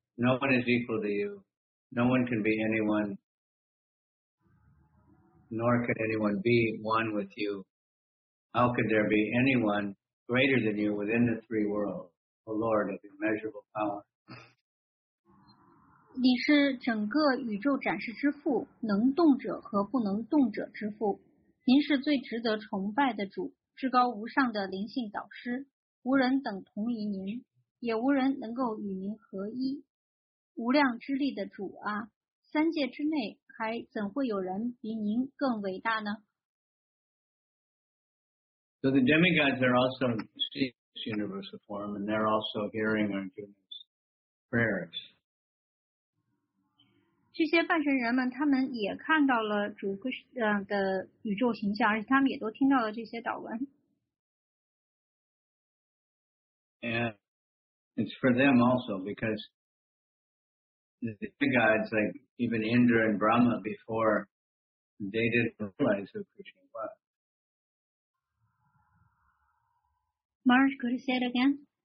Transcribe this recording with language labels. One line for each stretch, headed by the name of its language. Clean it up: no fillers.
English: No one is equal to you. No one can be anyone, nor can anyone be one with you. How could there be anyone greater than you within the three worlds, O Lord of immeasurable power?
Chinese: 你是整个宇宙展示之父，能动者和不能动者之父。您是最值得崇拜的主，至高无上的灵性导师，无人等同于您，也无人能够与您合一。无量之力的主啊，三界之内还怎会有人比您更伟大呢？
English: So the demigods are also seeing this universal form, and they're also hearing Arjuna's prayers.
Chinese: 这些半神人们他们也看到了主的宇宙形象，而且他们也都听到了这些祷文。
English: And it's for them also, because the gods, like even Indra and Brahma before, they didn't realize who Krishna was. Maharaj, could you say it again?